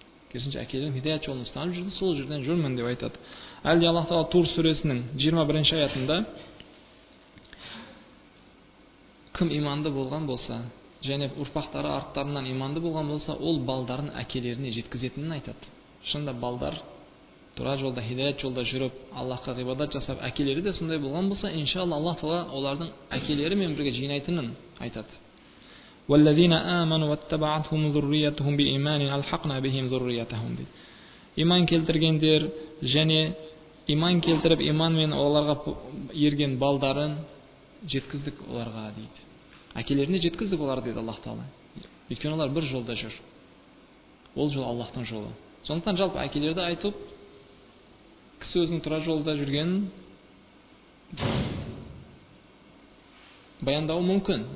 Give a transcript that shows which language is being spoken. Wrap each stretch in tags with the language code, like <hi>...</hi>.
<kk>Керісінше әкелерім хидаят жолын ұстанып жүрді, сол жерден жүрмін деп айтады. Әлде Аллах тағала Тур сүресінің 21-ші аятында кім иманды болған болса, және ұрпақтары арттарынан иманды болған болса, ол балдарын әкелеріне жеткізетінін айтады. Шында балдар тұра жолда, хидаят жолда жүріп, Аллахқа ғибадат жасап, әкелері де сондай болған болса, иншалла Аллах тағала олардың әкелерімен бірге жинайтынын айтады.</kk> <ar>والذين آمنوا واتبعتهم ذريتهم بإيمان ألحقنا بهم ذريتهم دي.</ar> <kk>إيمان келтіргендер және иман келтіріп иман мен оларға ерген балдарын жеткіздік оларға дейді. Әкелеріне жеткіздік оларға дейді Аллах Тағала. Өйткені олар бір жолда жүр. Ол жол Аллахтың жолы. Сондықтан жалпы әкелерді айтып кісі өзінің тұра жолда жүрген баяндау мүмкін.</kk>